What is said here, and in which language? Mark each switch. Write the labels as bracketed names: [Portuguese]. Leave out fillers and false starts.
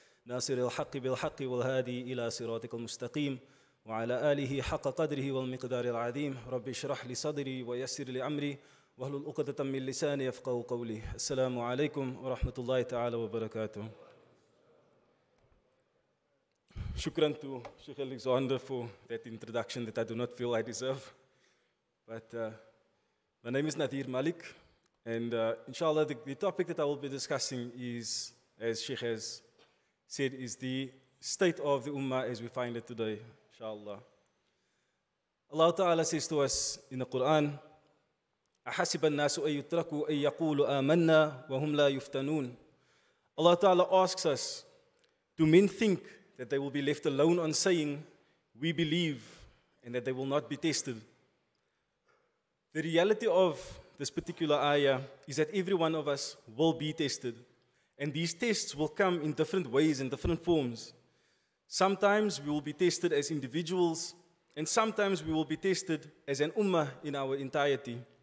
[Arabic] ناصر الحق بالحق والهادي إلى صراطك المستقيم وعلى آله حق قدره والمقدار العظيم رب اشرح لي صدري ويسر لي أمري واحلل عقدة من لساني يفقهوا قولي السلام عليكم ورحمة الله تعالى وبركاته. [English] Shukran to Sheikh Alexander for that introduction that I do not feel I deserve. But my name is Natheer Mallick, and inshallah, the topic that I will be discussing is, as Sheikh has said, is the state of the Ummah as we find it today, inshallah. Allah Ta'ala says to us in the Quran, [Arabic] أَحَسِبَ النَّاسُ أَن يُتْرَكُوا أَن يَقُولُوا آمَنَّا وَهُمْ لَا يُفْتَنُونَ. [English] Allah Ta'ala asks us, do men think that they will be left alone on saying, we believe, and that they will not be tested? The reality of this particular ayah is that every one of us will be tested. And these tests will come in different ways and different forms. Sometimes we will be tested as individuals, and sometimes we will be tested as an ummah in our entirety.